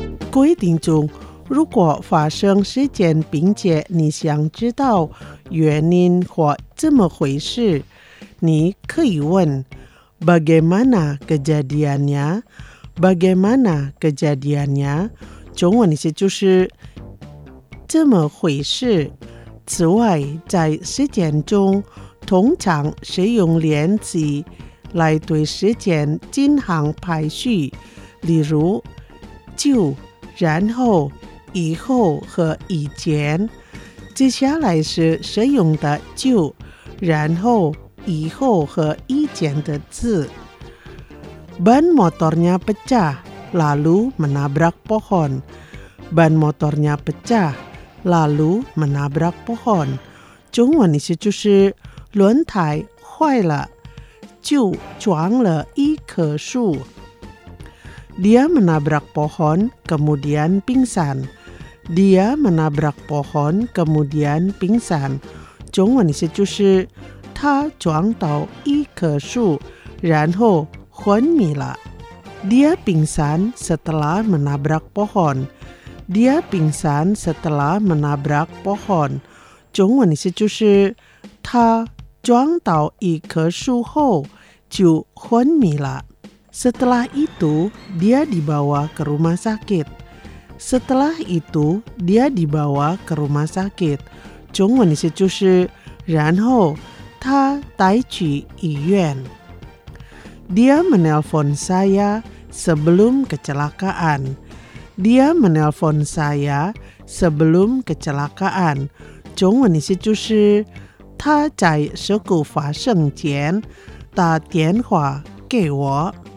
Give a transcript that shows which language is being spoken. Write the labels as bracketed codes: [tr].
[zh] 规定中，如果发生事件并且你想知道原因或怎么回事，你可以问 [id] Bagaimana kejadiannya? Bagaimana kejadiannya? [zh] 中文意思就是这么回事。此外，在事件中，通常使用连词来对事件进行排序，例如就、然后、以后和以前。接下来是使用的就、然后、以后和以前的字。 [id] Ban motornya pecah, lalu menabrak pohon. Ban motornya pecah, lalu menabrak pohon. [zh] 中文意思就是轮胎坏了，就撞了一棵树。 [id] Dia menabrak pohon, kemudian pingsan. Dia menabrak pohon, kemudian pingsan. [zh] 中文意思就是他撞到一棵树，然后昏迷了。 [id] Dia pingsan setelah menabrak pohon. Dia pingsan setelah menabrak pohon. [zh] 中文意思就是他撞到一棵树后就昏迷了。 [id] Setelah itu, dia dibawa ke rumah sakit. Setelah itu, dia dibawa ke rumah sakit. [zh] 中文意思就是，然后他带去医院。 [id] Dia menelpon saya sebelum kecelakaan. Dia menelpon saya sebelum kecelakaan. [zh] 中文意思就是，他在事故发生前打电话给我。